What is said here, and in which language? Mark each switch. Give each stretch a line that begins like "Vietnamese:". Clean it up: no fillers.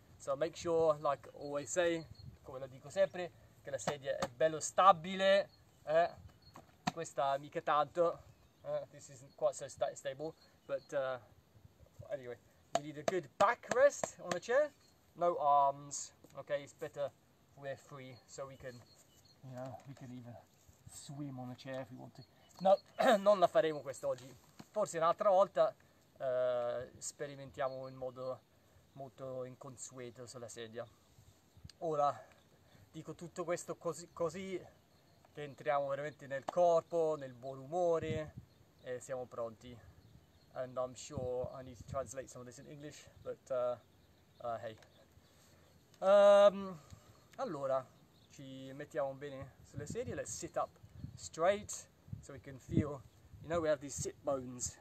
English: So make sure, like always say,
Italian: come lo dico sempre, che la sedia è bello stabile, questa mica tanto.
English: This isn't quite so stable, but anyway, we need a good backrest on the chair. No arms, okay? It's better we're free, so we can, we can even swim on the chair if we want to.
Italian: No, non la faremo quest'oggi. Forse un'altra volta sperimentiamo in modo molto inconsueto sulla sedia. Ora, dico tutto questo così che entriamo veramente nel corpo, nel buon umore. E siamo pronti.
English: And I'm sure I need to translate some of this in English, but hey.
Italian: Allora, ci mettiamo bene sulle sedie.
English: Let's sit up straight so we can feel. We have these sit bones.